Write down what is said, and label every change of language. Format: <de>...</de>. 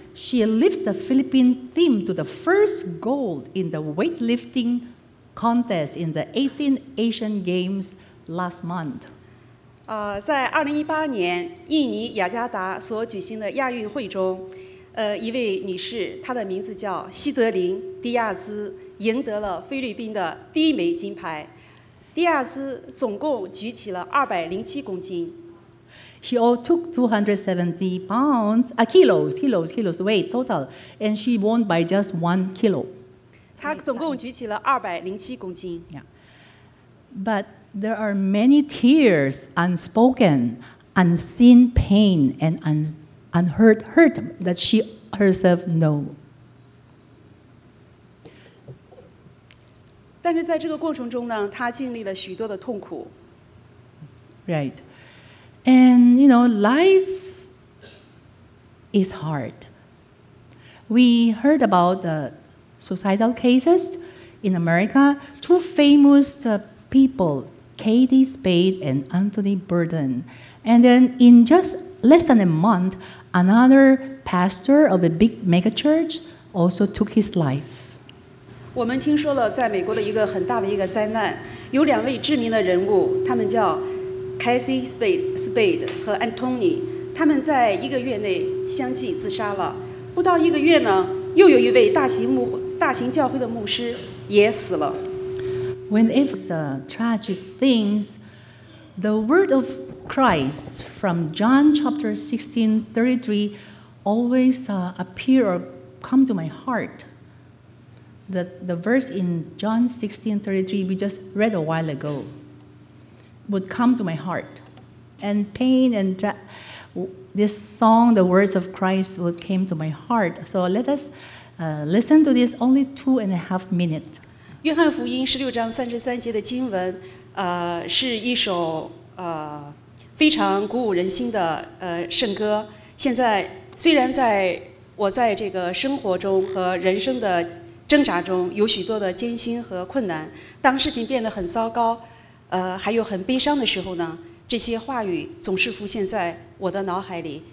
<en>She lifts the Philippine team to the first gold in the weightlifting contest in the 18th Asian Games last month.</en> <zh>在2018年印尼雅加达所举行的亚运会中，一位女士，她的名字叫希德林·迪亚兹，赢得了菲律宾的第一枚金牌。迪亚兹总共举起了207公斤。</zh> <en>She all took 270 pounds, kilos weight total, and she won by just 1 kilo.</en> <zh>她总共举起了207公斤。</zh> <en>Yeah. But there are many tears, unspoken, unseen pain, and unheard hurt that she herself know.</en> <zh>但是在这个过程中呢，她经历了许多的痛苦。</zh> <en>Right. And you know, life is hard. We heard about the suicidal cases in America. Two famous people, Katie Spade and Anthony Bourdain. And then in just less than a month, another pastor of a big mega church also took his life.</en> <zh>我们听说了在美国的一个很大的一个灾难，有两位知名的人物，他们叫 Katie Spade 和 Anthony， 他们在一个月内相继自杀了。不到一个月呢，又有一位大型教会的牧师也死了。</zh> <en>When it's a tragic things, the word of Christ from John chapter 16:33 always appear or come to my heart. The verse in John 16:33 we just read a while ago would come to my heart. And pain and this song, the words of Christ would came to my heart. So let us listen to this only 2.5 minutes.</en> <zh>约翰福音十六章三十三节的经文，是一首非常鼓舞人心的圣歌。现在虽然在我在这个生活中和人生的挣扎中有许多的艰辛和困难，当事情变得很糟糕，还有很悲伤的时候呢，这些话语总是浮现在我的脑海里。</zh>